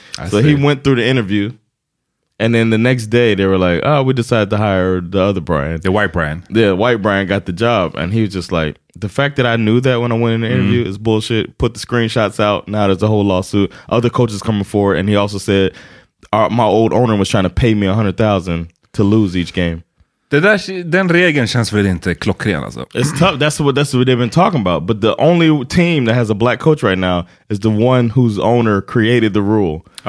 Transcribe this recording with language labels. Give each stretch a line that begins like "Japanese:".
English: He went through the interview. And then the next day, they were like, oh, we decided to hire the other Brian. The white Brian. Yeah, white Brian got the job. And he was just like, the fact that I knew that when I went in the interview is bullshit. Put the screenshots out. Now there's a whole lawsuit. Other coaches coming forward. And he also said, my old owner was trying to pay me $100,000 to lose each game.
Swedish: Det där, den regeln känns väl inte klockren alltså.
English: It's tough. That's what they've been talking about. But the only team that has a black coach right now is the one whose owner created the rule.